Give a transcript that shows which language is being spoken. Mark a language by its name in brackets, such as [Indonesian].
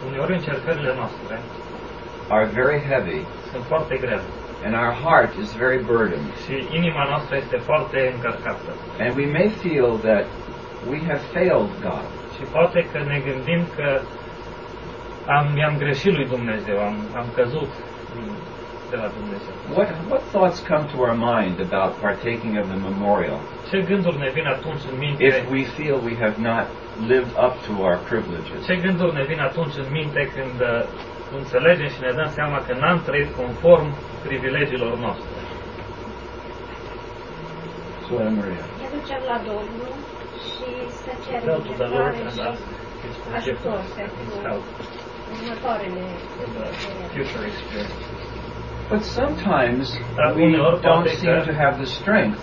[Romanian] uneori încercările noastre [English] are very heavy, [Romanian] sunt foarte grele. [English] And our heart is very burdened. [Romanian] Și inima noastră este foarte încărcată. [English] And we may feel that we have failed God. [Romanian] Și poate că ne gândim că am greșit lui Dumnezeu, am căzut de la Dumnezeu. [English] What thoughts come to our mind about partaking of the memorial? [Romanian] Ce gânduri ne vin atunci în minte? [English] If we feel we have not lived up to our privileges. [Romanian] Ce gânduri ne vin atunci în minte când înțelegem și ne dăm seama că n-am trăit conform privilegiilor noastre. Sora Maria. Ne ducem la Domnul și să cerem iertare și ajutor pentru următoarele experiențe. [English] But sometimes we don't seem to have the strength